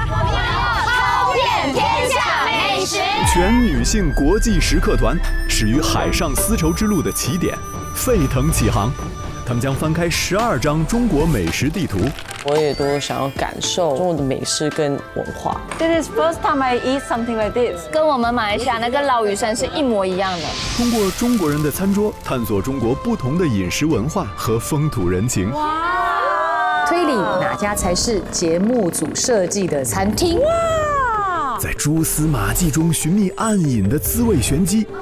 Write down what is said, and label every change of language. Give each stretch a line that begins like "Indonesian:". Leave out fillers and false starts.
Chinese: 超遍天下美食。全女性国际食客团，始于海上丝绸之路的起点，沸腾起航。他们将翻开十二张中国美食地图。我也都想要感受中国的美食跟文化。
English: This is first time I eat something like this。
Chinese: 跟我们马来西亚那个捞鱼生是一模一样的。通过中国人的餐桌，探索中国不同的饮食文化和风土人情。哇！推理哪家才是节目组设计的餐厅？哇！在蛛丝马迹中寻觅暗影的滋味玄机。